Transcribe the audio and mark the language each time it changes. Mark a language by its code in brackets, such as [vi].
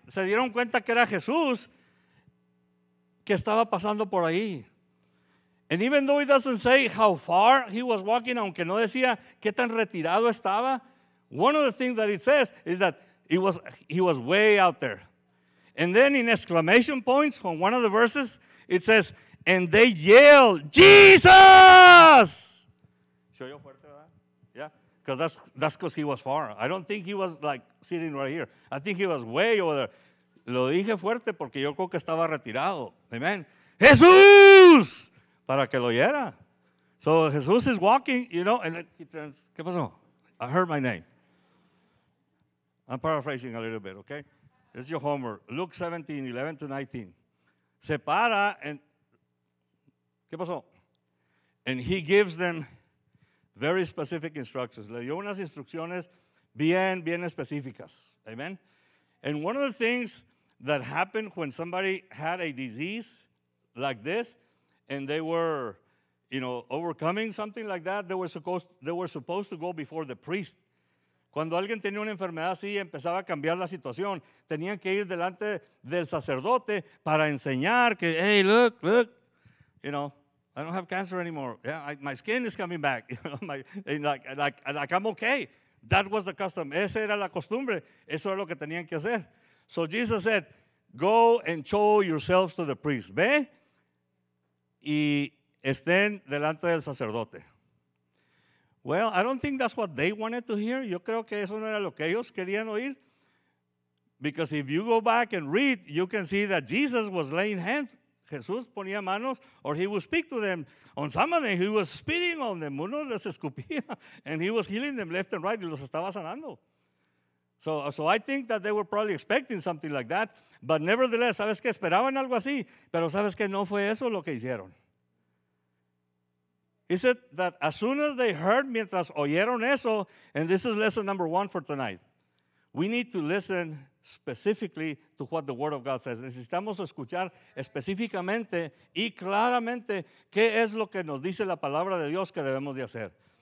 [es] Se dieron cuenta que era Jesús que estaba pasando por ahí. [en] And even though it doesn't say how far he was walking, [es] aunque no decía qué tan retirado estaba, [en] one of the things that it says is that he was way out there. And then in exclamation points on one of the verses, it says, and they yelled, Jesus! [es] ¿Se oyó fuerte, verdad? [en] Yeah, because that's because he was far. I don't think he was like sitting right here. I think he was way over there. [es] Lo dije fuerte porque yo creo que estaba retirado. Amen. ¡Jesús! Para que lo oyera. [en] So Jesús is walking, you know, and he turns. [es] ¿Qué pasó? [en] I heard my name. I'm paraphrasing a little bit, okay? This is your homework. Luke 17, 11 to 19. Separa and, [es] ¿qué pasó? [en] And he gives them very specific instructions. [es] Le dio unas instrucciones bien, bien específicas. Amen? [en] And one of the things that happened when somebody had a disease like this and they were, you know, overcoming something like that, they were supposed to go before the priest. [es] Cuando alguien tenía una enfermedad así, empezaba a cambiar la situación. Tenían que ir delante del sacerdote para enseñar que, [en] hey, look, look, you know, I don't have cancer anymore. Yeah, my skin is coming back. like I'm okay. That was the custom. [es] Esa era la costumbre. Eso era lo que tenían que hacer. [en] So Jesus said, go and show yourselves to the priest. [es] Ve y estén delante del sacerdote. [en] Well, I don't think that's what they wanted to hear. [es] Yo creo que eso no era lo que ellos querían oír. [en] Because if you go back and read, you can see that Jesus was laying hands. [es] Jesús ponía manos, [en] or he would speak to them. On some of them, he was spitting on them. [es] Uno les escupía, [en] and he was healing them left and right. [es] Y los estaba sanando. [en] So I think that they were probably expecting something like that. But nevertheless, [es] ¿sabes qué? Esperaban algo así. Pero ¿sabes qué? No fue eso lo que hicieron. [en] He said that as soon as they heard, [es] mientras oyeron eso, [en] and this is lesson number one for tonight. We need to listen specifically to what the Word of God says. [es] Necesitamos escuchar específicamente y claramente qué es lo que nos dice la Palabra de Dios que debemos de hacer.